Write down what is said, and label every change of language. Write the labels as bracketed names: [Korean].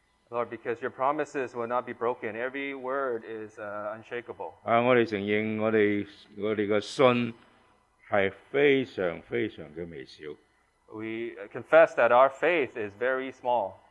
[English] Lord, because your promises will not be broken, every word is unshakable. [Cantonese] 我哋承认我哋嘅信系非常非常嘅微小。 [English] We confess that our faith is very small.